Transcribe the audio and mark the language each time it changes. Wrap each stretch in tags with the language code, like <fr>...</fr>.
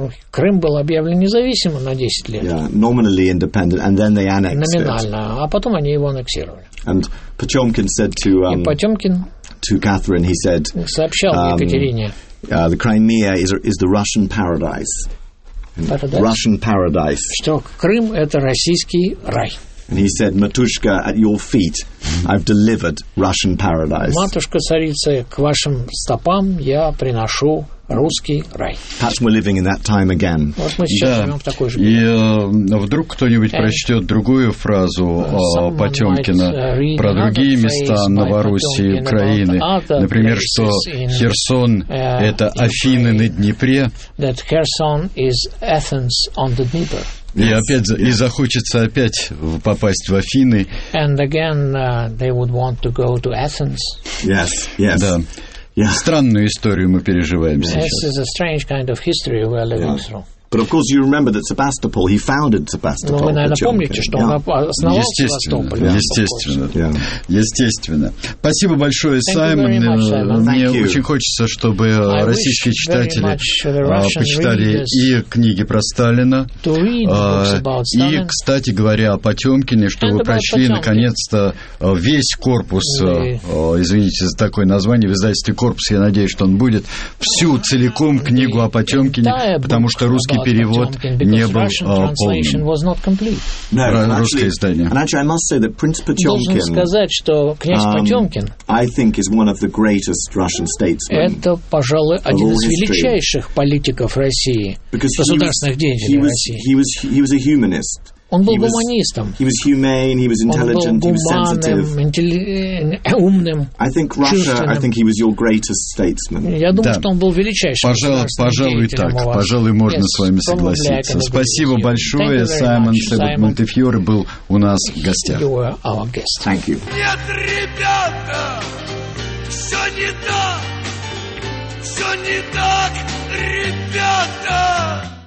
<ru>Крым был объявлен независимым на 10 лет.</ru> <en>Yeah, nominally independent, and then they annexed it.</en> <ru>Номинально, а потом они его аннексировали.</ru> <en>And Potemkin said to to Catherine, he said,</en> <ru>сообщал Екатерине,</ru> <en>the Crimea is the Russian paradise. Russian paradise.</en> <ru>Что Крым – это российский рай.</ru> <en>And he said, Матушка, at your feet, I've delivered Russian paradise.</en> <ru>Матушка, царица, к вашим стопам я приношу русский рай.</ru> <en>Perhaps we're living in that time again.</en> <ru>Вот мы сейчас живем в такой же момент. Вдруг кто-нибудь прочтет другую фразу Потемкина про другие места Новороссии, Украины. Например, что Херсон – это Афины на Днепре.</ru> <en>That Kherson is Athens on the Dnieper.</en> <ru>И опять и захочется опять попасть в Афины.</ru> <en>And again, they would want to go to Athens. Yes, yes.</en> <ru>Да.</ru> <en>Yeah.</en> <ru>Странную историю мы переживаем сейчас.</ru> <en>This is a strange kind of history we are living through. But of course, you remember that Sebastopol, he founded Sebastopol.</en> <ru>Вы, наверное, помните, что он основал Севастополь. Естественно, естественно. Спасибо большое, Саймон. Мне очень хочется, чтобы российские читатели почитали и книги про Сталина, и, кстати говоря, о Потемкине, чтобы прочли, наконец-то, весь корпус, извините за такое название, в издательстве «Корпус», я надеюсь, что он будет, всю целиком книгу о Потемкине, потому что русский перевод не был полным. Русское издание.</ru> <en>And actually, I must say that Prince Potemkin,</en> <ru>должен сказать, что князь Потемкин,</ru> <en>I think is one of the greatest Russian statesmen.</en> <ru>Это, пожалуй, один из величайших политиков России, государственных деятелей России.</ru> <en>He was a humanist.</en> <ru>Он был гуманистом.</ru> <en>He was humane, he was intelligent,</en> <ru>он был гуманным,</ru> <en>he was sensitive.</en> <ru>Умным.</ru> <en>I think Russia, I think he was your greatest statesman.</en> <ru>Я думаю, что он был величайшим. Пожалуй, так. Пожалуй, можно с вами согласиться. Спасибо большое, Саймон. Саймон Монтефьоре был у нас в гостях.</ru> <en>You were our guest. Thank you.</en> <ru>Нет, ребята, все не так. Все не так, ребята.</ru>